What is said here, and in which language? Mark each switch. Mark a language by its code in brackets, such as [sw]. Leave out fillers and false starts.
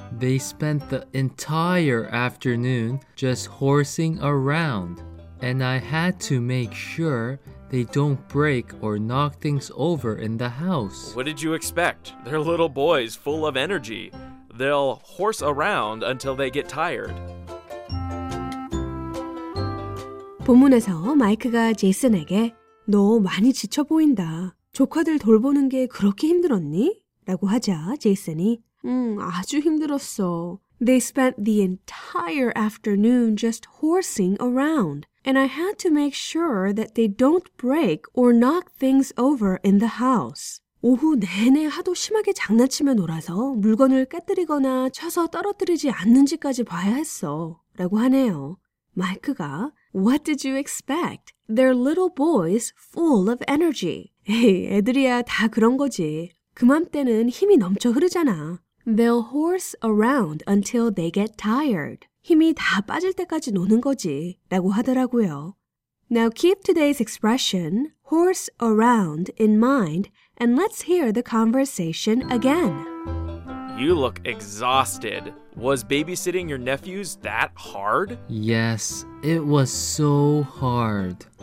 [en] They spent the entire afternoon just horsing around, and I had to make sure they don't break or knock things over in the house. What did you expect? They're little boys full of energy. They'll horse around until they get tired. [ko] 본문에서 마이크가 제이슨에게 너 많이 지쳐 보인다. 조카들 돌보는 게 그렇게 힘들었니? 라고 하자 제이슨이 아주 힘들었어. [en] They spent the entire afternoon just horsing around. And I had to make sure that they don't break or knock things over in the house. [ko] 오후 내내 하도 심하게 장난치며 놀아서 물건을 깨뜨리거나 쳐서 떨어뜨리지 않는지까지 봐야 했어. 라고 하네요. 마이크가 [en] What did you expect? They're little boys full of energy. [ko] 에이, 애들이야 다 그런 거지. 그맘때는 힘이 넘쳐 흐르잖아. [en] They'll horse around until they get tired. [ko] 힘이 다 빠질 때까지 노는 거지 라고 하더라고요. [en] Now keep today's expression, horse around, in mind, and let's hear the conversation again. You look exhausted. Was babysitting your nephews that hard? Yes, it was so hard.